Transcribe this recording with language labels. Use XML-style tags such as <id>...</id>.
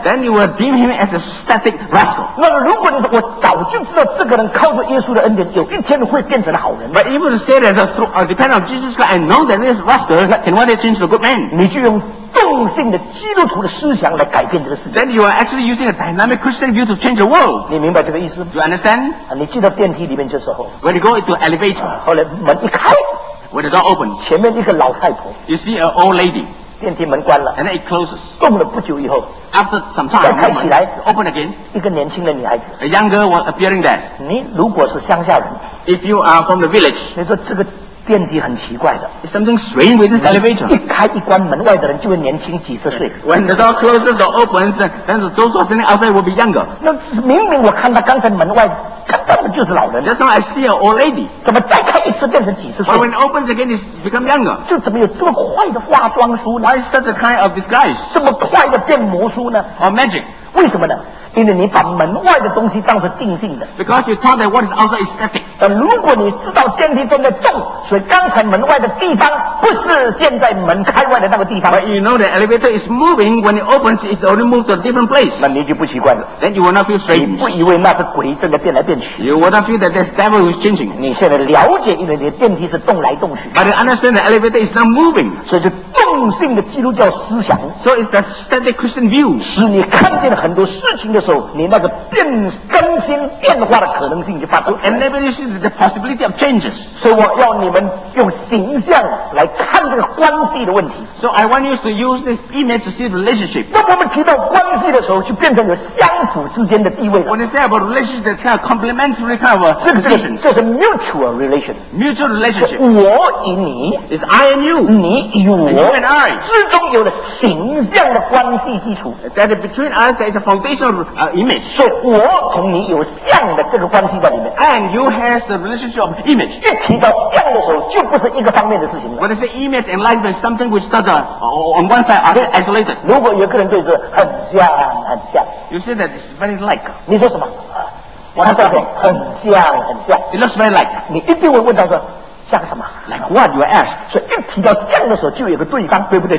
<en>Then you will deem him as a static rascal.</en> <zh>那如果你说我早就知道这个人靠着耶稣的恩典有一天会变成好人。</zh> <en>But even to say that depend on Jesus Christ, I know that this rascal can one day change to a good man.</en> <zh>你就用重性的基督徒的思想来改变这个世界。</zh> <en>Then you are actually using a dynamic Christian view to change the world.</en> <zh>你明白这个意思？</zh> <en>Do you understand?</en> <zh>你进到电梯里面的时候，</zh> <en>when you go into elevator,</en> <zh>后来门一开，</zh> <en>when the door opens,</en> <zh>前面一个老太婆，</zh> <en>you see an old lady.</en> <zh>电梯门关了，</zh> <en>and then it closes.</en> <zh>动了不久以后，</zh> <en>after some time,</en> <zh>再开起来，</zh> <en>open again.</en> <zh>一个年轻的女孩子，</zh> <en>a young girl was appearing there.</en> <zh>你如果是乡下人，</zh> <en>if you are from the village,</en> <zh>你说这个电梯很奇怪的。</zh> <en>It's something strange with this elevator.</en> <zh>一开一关门外的人就会年轻几十岁。</zh> <en>When the door closes or opens, then those who are standing outside will be younger.</en> <zh>那明明我看到刚才门外根本就是老人。</zh> <en>That's why I see an old lady.</en> <zh>怎么再开一次变成几十岁？</zh> <en>But when it opens again, it's become younger.</en> <zh>就怎么有这么快的化妆术呢？</zh> <en>Why is such a kind of disguise?</en> <zh>这么快的变魔术呢？</zh> <en>Or magic?</en> <zh>为什么呢？因为你把门外的东西当成静性的。</zh> <en>Because you thought that what is outside is static.</en> <zh>但如果你知道电梯正在动，所以刚才门外的地方不是现在门开外的那个地方。</zh> <en>But you know the elevator is moving when it opens, it's only moved to a different place.</en> <zh>那你就不奇怪了。</zh> <en>Then you will not feel strange.</en> <zh>你不以为那是鬼正在变来变去。</zh> <en>You will not feel that this devil is changing.</en> <zh>你现在了解，因为你的电梯是动来动去。</zh> <en>But you understand the elevator is not moving.</en> <zh>所以就动性的基督教思想。</zh> <en>So it's a static Christian view.</en> <zh>使你看见了很多事情的时候，你那个变更新变化的可能性就发出</zh> <en>and everything is the possibility of changes.</en> <zh>所以我要你们用形象来看这个关系的问题。</zh> <en>So I want you to use this image to see the relationship.</en> <zh>那我们提到关系的时候，就变成有相辅之间的地位了。</zh> <en>When you say about relationship, that's kind of complementary kind of a situation.</en> <zh>这是</zh> <en>mutual relation. Mutual relationship.</en> <zh>我与你</zh> <en>is I and you.</en> <zh>你与我</zh> <en>you and I.</en> <zh>之中有了形象的关系基础。</zh> <en>That between us there is a foundational image.</en> <zh>所以我同你有像的这个关系在里面。</zh> <en>And you have the relationship of image.</en> <zh>一提到像的时候，就不是一个方面的事情了。</zh> <en>When you say image and likeness, there's something which starts on one side, are they isolated?</en> <zh>如果有个人对这很像很像。</zh> <en>You say that it's very like.</en> <zh>你说什么？我说什么？很像很像。</zh> <en>It looks very like.</en> <zh>你一定会问到说像什么</zh> <en>？Like what you ask.</en> <zh>所以一提到像的时候，就有个对方，对不对</zh>